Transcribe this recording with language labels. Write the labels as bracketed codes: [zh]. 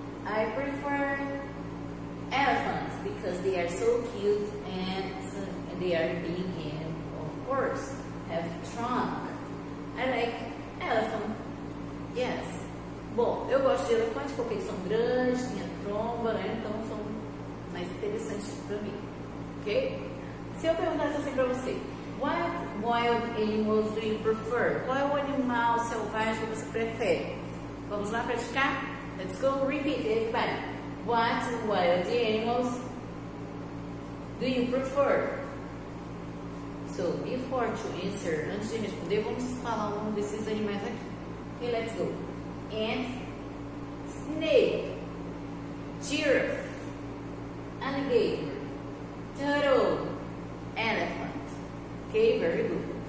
[en] I prefer elephants because they are so cute and they are big and, of course, have trunk. I like elephant. Yes. [pt] Bom, eu gosto de elefantes porque eles são grandes, têm a tromba, né? Então são mais interessantes para mim. Ok? Se eu perguntasse assim para você, [en] what wild animals do you prefer? [pt] Qual é o animal selvagem que você prefere? Vamos lá praticar? [en] Let's go repeat it, but what wild animals do you prefer? So, before to answer, [pt] antes de responder, vamos falar um desses animais aqui. [en] Okay, let's go. Ant, snake, giraffe, alligator, turtle, elephant. Okay, very good.